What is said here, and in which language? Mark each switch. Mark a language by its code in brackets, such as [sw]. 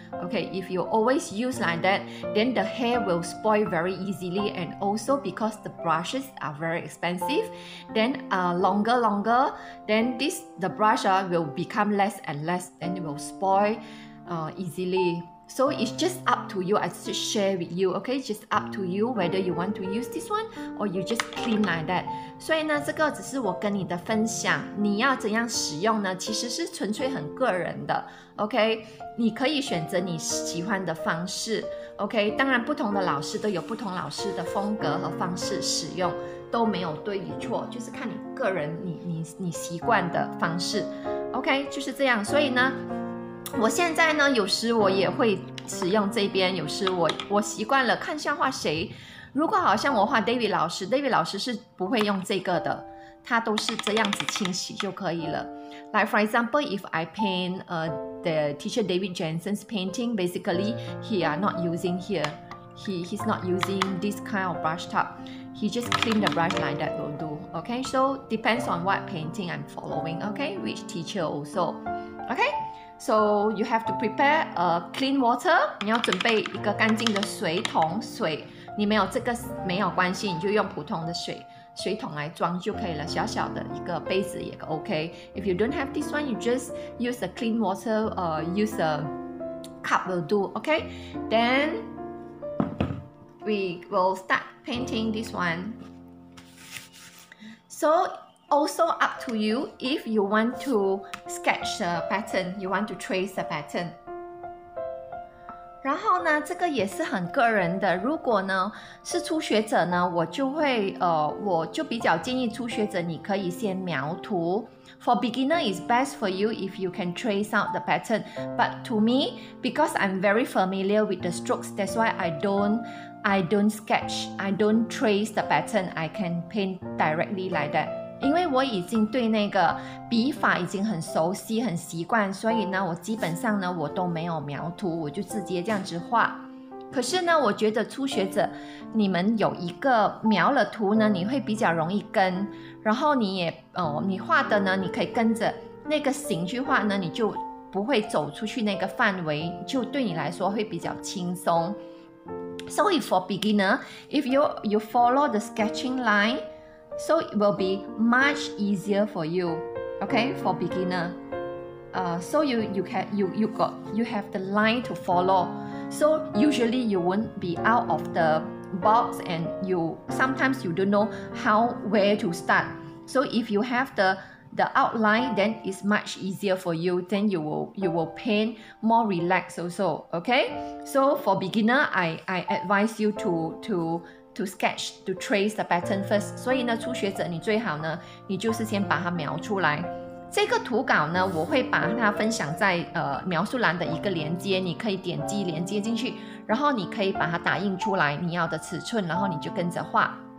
[en] OK, if you always use like that, then the hair will spoil very easily, and also because the brushes are very expensive, then longer, then the brush will become less and less, then it will spoil easily. So it's just up to you, I just share with you, OK, just up to you whether you want to use this one or you just clean like that. [zh] 所以呢，这个只是我跟你的分享，你要怎样使用呢？其实是纯粹很个人的 ，OK？ 你可以选择你喜欢的方式 ，OK？当然，不同的老师都有不同老师的风格和方式使用，都没有对与错，就是看你个人你习惯的方式 ，OK？就是这样。所以呢，我现在呢，有时我也会使用这边，有时我习惯了看笑话谁。如果好像我画 David 老师是不会用这个的，他都是这样子清洗就可以了。 [en] Like for example, if I paint the teacher David Jensen's painting, basically he are not using here, he's not using this kind of brush top, he just clean the brush like that will do. Okay, so depends on what painting I'm following, okay, which teacher also. Okay, so you have to prepare a clean water, [zh] 你要准备一个干净的水桶，水你没有这个没有关系，你就用普通的水桶来装就可以了，小小的一个杯子也 OK. [en] If you don't have this one, you just use a clean water, use a cup will do, OK? Then we will start painting this one. So also up to you if you want to sketch a pattern, you want to trace a pattern. [zh] 然后呢，这个也是很个人的。如果呢是初学者呢，我就会我就比较建议初学者你可以先描图。 [en] For beginner, it's best for you if you can trace out the pattern. But to me, because I'm very familiar with the strokes, that's why I don't sketch, I don't trace the pattern. I can paint directly like that. [zh] 因为我已经对那个笔法已经很熟悉很习惯，所以呢我基本上呢我都没有描图，我就直接这样子画。可是呢我觉得初学者你们有一个描了图呢，你会比较容易跟，然后你也你画的呢你可以跟着那个形去画呢，你就不会走出去那个范围，就对你来说会比较轻松。 [en] So if for beginner, if you follow the sketching lineSo it will be much easier for you, okay, for beginner. So you have the line to follow. So usually you won't be out of the box, and sometimes you don't know where to start. So if you have the outline, then it's much easier for you. Then you will paint more relaxed also, okay? So for beginner, I advise you to sketch, to trace the pattern first. [zh] 所以呢初学者你最好呢你就是先把它描出来。这个图稿呢我会把它分享在描述栏的一个连接，你可以点击连接进去，然后你可以把它打印出来你要的尺寸，然后你就跟着画。